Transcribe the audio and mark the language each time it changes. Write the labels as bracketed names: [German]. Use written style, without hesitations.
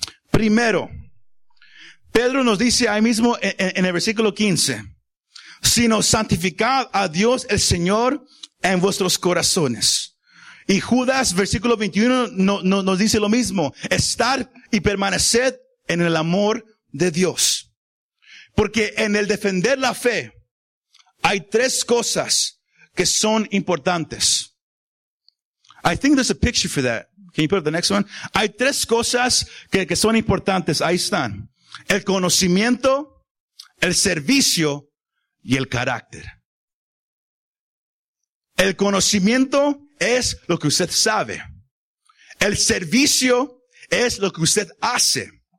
[Spanish] Primero, Pedro nos dice ahí mismo en el versículo 15, sino santificad a Dios el Señor en vuestros corazones. Y Judas, versículo 21, nos dice lo mismo, estar y permaneced en el amor de Dios. Porque en el defender la fe, hay tres cosas que son importantes. [English] I think there's a picture for that. Can you put up the next one? [Spanish] Hay tres cosas que son importantes. Ahí están. El conocimiento, el servicio y el carácter. El conocimiento es lo que usted sabe. El servicio es lo que usted hace.